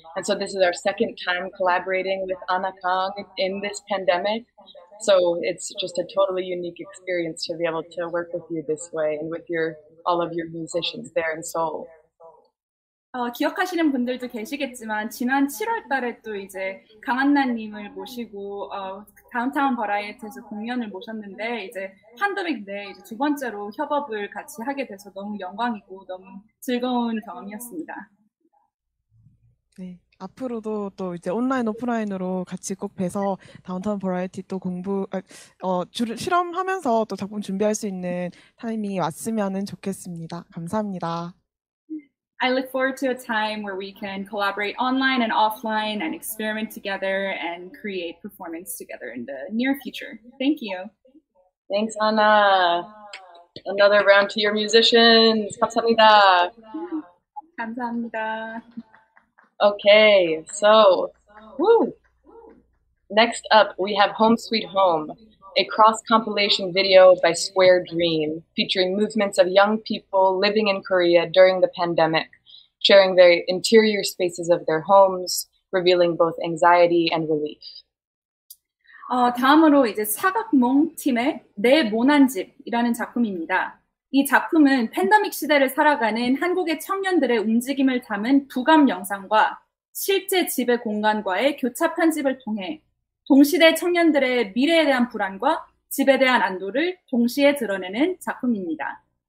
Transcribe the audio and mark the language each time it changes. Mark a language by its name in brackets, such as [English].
[English] And so this is our second time collaborating with Anna Kang in this pandemic. So it's just a totally unique experience to be able to work with you this way and with all of your musicians there in Seoul. [Korean] 기억하시는 분들도 계시겠지만 지난 7월 달에 또 이제 강한나님을 모시고 다운타운 버라이어티에서 공연을 모셨는데 이제 팬데믹 내 이제 두 번째로 협업을 같이 하게 돼서 너무 영광이고 너무 즐거운 경험이었습니다. 앞으로도 또 이제 온라인 오프라인으로 같이 꼭 뵈서 다운타운 버라이어티 또 공부 실험하면서 또 작품 준비할 수 있는 타이밍이 왔으면은 좋겠습니다. 감사합니다. [English] I look forward to a time where we can collaborate online and offline and experiment together and create performance together in the near future. Thank you. Thanks, Anna. Another round to your musicians. [Korean] 감사합니다. 감사합니다. [English] Okay, so woo. Next up, we have Home Sweet Home, a cross-compilation video by Square Dream, featuring movements of young people living in Korea during the pandemic, sharing the interior spaces of their homes, revealing both anxiety and relief. [Korean] 다음으로 이제 사각몽 팀의 내 모난 집이라는 작품입니다. 이 작품은 팬데믹 시대를 살아가는 한국의 청년들의 움직임을 담은 부감 영상과 실제 집의 공간과의 교차 편집을 통해 동시대 청년들의 미래에 대한 불안과 집에 대한 안도를 동시에 드러내는 작품입니다.